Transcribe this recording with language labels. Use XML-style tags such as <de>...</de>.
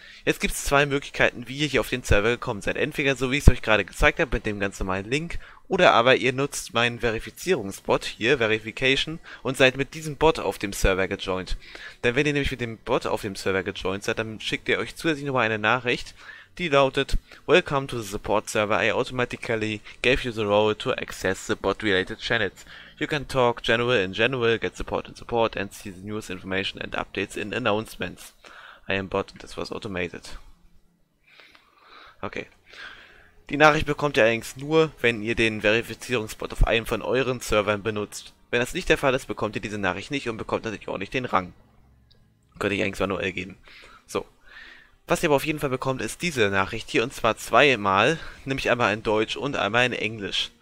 <de>Jetzt gibt es zwei Möglichkeiten, wie ihr hier auf den Server gekommen seid. Entweder so, wie ich es euch gerade gezeigt habe, mit dem ganz normalen Link. Oder aber ihr nutzt meinen Verifizierungsbot hier, Verification, und seid mit diesem Bot auf dem Server gejoint. Denn wenn ihr nämlich mit dem Bot auf dem Server gejoint seid, dann schickt ihr euch zusätzlich nochmal eine Nachricht, die lautet:</de> <en>Welcome to the support server. I automatically gave you the role to access the bot-related channels. You can talk general in general, get support in support and see the news information and updates in announcements. I am bot and this was automated. Okay.</en> <de>Die Nachricht bekommt ihr allerdings nur, wenn ihr den Verifizierungsbot auf einem von euren Servern benutzt. Wenn das nicht der Fall ist, bekommt ihr diese Nachricht nicht und bekommt natürlich auch nicht den Rang. Könnte ich eigentlich manuell geben. So. Was ihr aber auf jeden Fall bekommt, ist diese Nachricht hier und zwar zweimal, nämlich einmal in Deutsch und einmal in Englisch.</de>